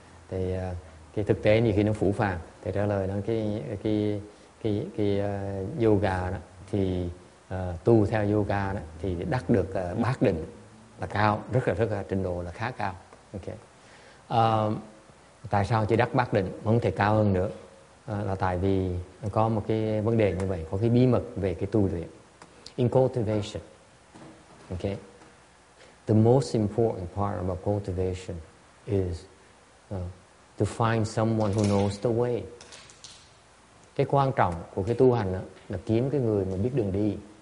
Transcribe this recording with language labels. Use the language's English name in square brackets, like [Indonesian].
[Vietnamese] Thì cái thực tế như khi nó phủ phàng, thầy trả lời nó cái yoga đó, thì tu theo yoga đó, thì đắc được bát định là cao, rất là trình độ là khá cao. Okay. Tại sao chỉ đắc bát định, không thể cao hơn nữa? Là tại vì có một cái vấn đề như vậy, có cái bí mật về cái tu luyện. [English] In cultivation. Okay. The most important part about cultivation is to find someone who knows the way. [Vietnamese] Cái quan trọng của cái tu hành đó, là kiếm cái người mà biết đường đi.